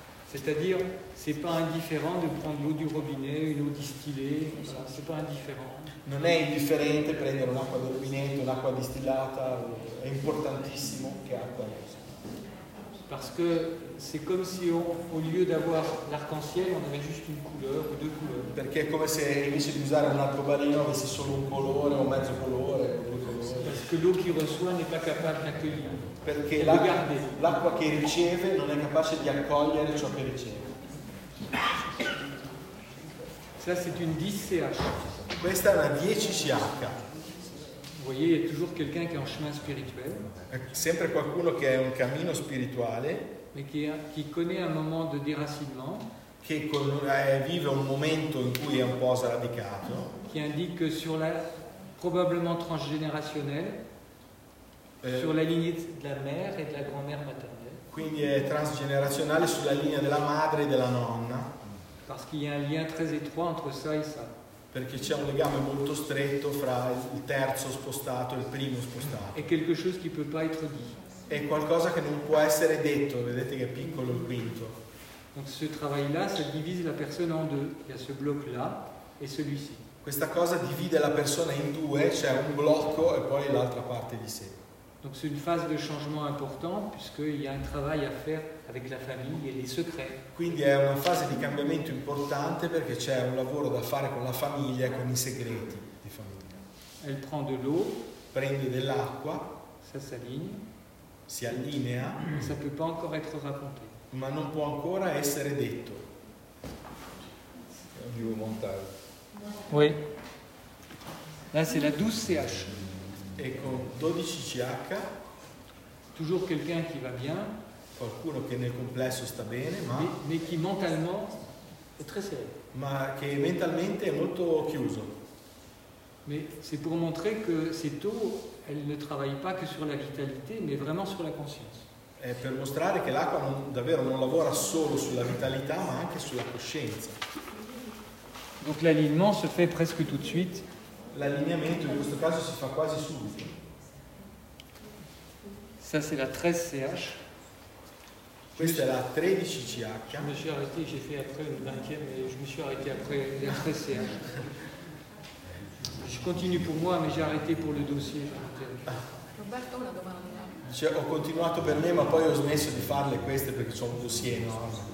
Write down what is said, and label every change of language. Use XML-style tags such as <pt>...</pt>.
<fr>C'est-à-dire, c'est pas indifférent de prendre l'eau du robinet, une eau distillée, voilà, c'est pas indifférent.</fr> <it>Non è indifferente prendere un'acqua del rubinetto, un'acqua distillata, è importantissimo che acqua.</it> <fr>Parce que c'est comme si on, au lieu d'avoir l'arc-en-ciel, on avait juste une couleur ou deux couleurs.</fr> <it>Perché è come se invece di usare un arcobaleno avesse solo un colore o mezzo colore.</it> <fr>Parce que l'eau qui reçoit n'est pas capable d'accueillir.</fr> <it>Perché l'acqua, l'acqua che riceve non è capace di accogliere ciò che riceve.</it> <fr>Ça, c'est une 10CH.</fr> <it>Questa è una 10CH.</it> <fr>Vous voyez, il y a toujours quelqu'un qui est en chemin spirituel.</fr> <it>È sempre qualcuno che è un cammino spirituale.</it> <fr>Mais qui connaît un moment de déracinement.</fr> <it>Che vive un momento in cui è un po' sradicato.</it> <fr>Qui indique que sur la. Probablement transgénérationnel sur la lignée de la mère et de la grand-mère maternelle.</fr> <it>Quindi è transgenerazionale sulla linea della madre e della nonna.</it> <fr>Parce qu'il y a un lien très étroit entre ça et ça.</fr> <it>Perché c'è un legame molto stretto fra il terzo spostato e il primo spostato.</it> <fr>È quelque chose qui peut pas être dit.</fr> <it>È qualcosa che non può essere detto, vedete che è piccolo il quinto.</it> <fr>Donc ce travail là, ça divise la personne en deux, il y a ce bloc là et celui-ci.</fr> <it>Questa cosa divide la persona in due, cioè un blocco e poi l'altra parte di sé.</it> <fr>Donc c'est une phase de changement important puisque il y a un travail à faire avec la famille et les secrets.</fr> <it>Quindi è una fase di cambiamento importante perché c'è un lavoro da fare con la famiglia e con i segreti di famiglia.</it> <fr>Elle prend de l'eau,</fr> <it>prende dell'acqua,</it> <fr>ça s'aligne,</fr> <it>si allinea,</it> <fr>ça peut pas encore être raconté.</fr> <it>Ma non può ancora essere detto. Vivo montare.</it> <fr>Oui. Là, c'est la 12CH. Et con 12CH, toujours quelqu'un qui va bien,</fr> <it>qualcuno che nel complesso sta bene, ma</it> <fr>mais qui mentalement est très serré.</fr> <it>Ma che mentalmente è molto chiuso.</it> <fr>Mais c'est pour montrer que cette eau, elle ne travaille pas que sur la vitalité, mais vraiment sur la conscience.</fr> <it>È per mostrare che l'acqua non, davvero non lavora solo sulla vitalità, ma anche sulla coscienza.</it> <fr>Donc l'alignement se fait presque tout de suite.</fr> <it>L'alignamento in questo caso si fa quasi subito.</it> <fr>Ça c'est la 13CH.</fr> <it>Questa è la 13CH.</it> <fr>Je me suis arrêté, j'ai fait après le 20e et je me suis arrêté après la 13CH. Je continue pour moi mais j'ai arrêté pour le dossier.</fr> <it>Roberto, una domanda. Cioè, ho continuato per me ma poi ho smesso di farle queste perché c'ho un dossier enorme.</it>